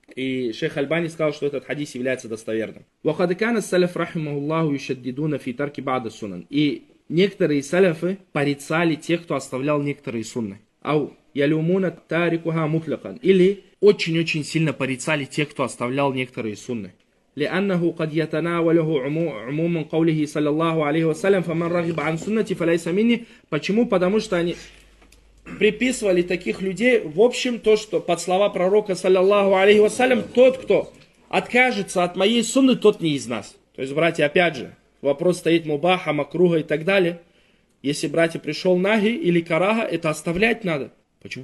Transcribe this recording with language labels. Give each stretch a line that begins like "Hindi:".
Russian: И шейх Аль-Бани сказал, что этот хадис является достоверным.
Arabic: وَقَدْ كَانَ السَّلَفْ رَحِمَهُ اللَّهُ يُشَدِّدُونَ فِي تَرْكِ بَعْدَ سُنَنْ.
Russian: И некоторые саляфы порицали тех, кто оставлял некоторые сунны.
Arabic: أَوْ يَلُومُونَ تَارِكُهَا مُتْلَقًا.
Russian: Или очень-очень сильно порицали тех, кто оставлял некоторые сунны.
Arabic: لأنه قد يتناوله عموم قوله صلى الله عليه وسلم فمن رغب عن سنتي فليس مني.
Russian: Почему? Потому что они приписывали таких людей в общем то, что под слова пророка
Arabic: صلى الله عليه وسلم,
Russian: тот, кто откажется от моей сунны, тот не из нас. То есть, братья, опять же, вопрос стоит мубаха, макруха и так далее. Если, братья, пришел наги или караха, это оставлять надо. Почему?